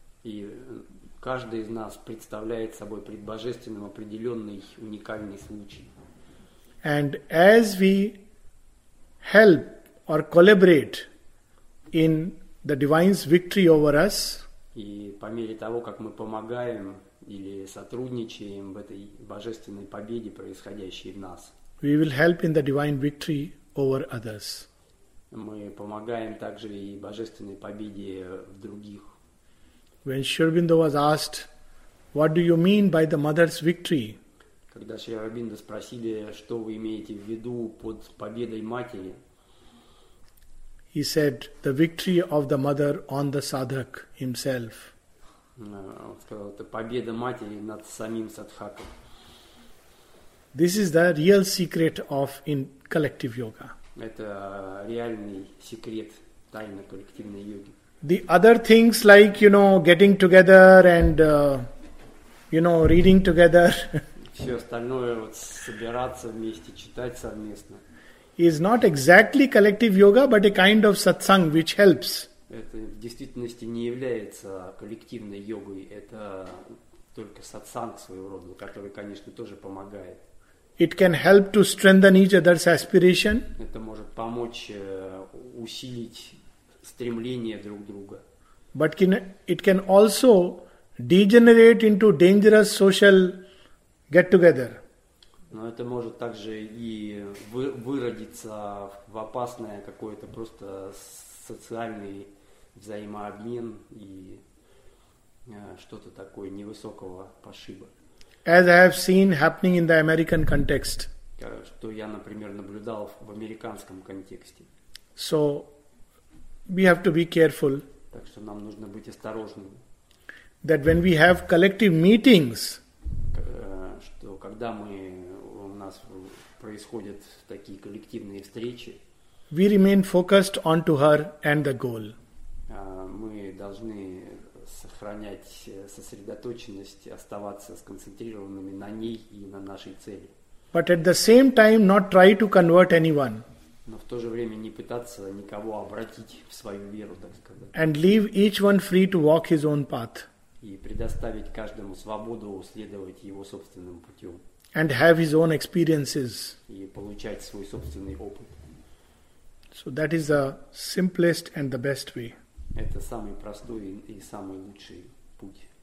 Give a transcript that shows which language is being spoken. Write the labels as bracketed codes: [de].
[ru] И каждый из нас представляет собой пред Божественным определенный уникальный случай. [en] And as we help or collaborate in the divine's victory over us, [ru] и по мере того, как мы помогаем или сотрудничаем в этой божественной победе, происходящей в нас, [en] we will help in the divine victory over others. [ru] Мы помогаем также и божественной победе в других. [en] When Sri Aurobindo was asked, what do you mean by the mother's victory? [ru] Когда Шри Аурбиндо спросили, что вы имеете в виду под победой матери, [en] he said, the victory of the mother on the sadhak himself. [ru] Он сказал, это победа матери над самим садхаком. [en] This is the real secret of in collective yoga. [ru] Это реальный секрет тайны коллективной йоги. [en] The other things like, you know, getting together and, you know, reading together. [ru] Все остальное, вот собираться вместе, читать совместно. [en] Is not exactly collective yoga, but a kind of satsang, which helps. [ru] Это в действительности не является коллективной йогой, это только сатсанг своего рода, который, конечно, тоже помогает. [en] It can help to strengthen each other's aspiration. [ru] Это может помочь усилить стремление друг друга. [en] But it can also degenerate into dangerous social get-together. [ru] Но это может также и выродиться в опасное какое-то просто социальный взаимообмен и что-то такое невысокого пошиба. [en] As I have seen happening in the American context. [ru] Что я, например, наблюдал в американском контексте. [en] So, we have to be careful. [ru] Так что нам нужно быть осторожными. [en] That when we have collective meetings. [ru] Что когда мы, у нас происходят такие коллективные встречи. [en] We remain focused onto her and the goal. [ru] Мы должны сохранять сосредоточенность, оставаться сконцентрированными на ней и на нашей цели. [en] But at the same time not try to convert anyone. [ru] Но в то же время не пытаться никого обратить в свою веру, так сказать. [en] And leave each one free to walk his own path. [ru] И предоставить каждому свободу следовать его собственным путем. [en] And have his own experiences. [ru] И получать свой собственный опыт. [en] So that is the simplest and the best way. [ru] Это самый простой и самый лучший путь.